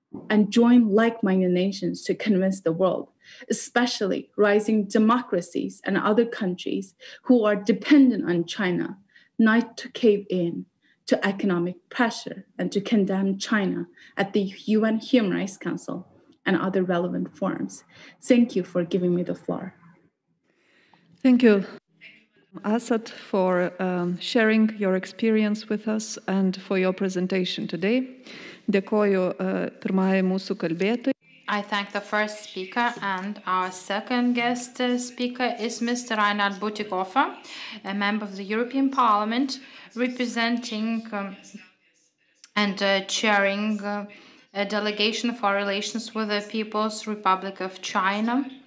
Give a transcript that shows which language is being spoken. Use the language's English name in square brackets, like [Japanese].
[English] And join like-minded nations to convince the world, especially rising democracies and other countries who are dependent on China, not to cave in to economic pressure and to condemn China at the UN Human Rights Council and other relevant forums. Thank you for giving me the floor. Thank you, Asad, for sharing your experience with us and for your presentation today. [Lithuanian] Dėkoju pirmajai mūsų kalbėtojai. [English] I thank the first speaker, and our second guest speaker is Mr. Reinhard Butikofer, a member of the European Parliament, representing and chairing a delegation for relations with the People's Republic of China.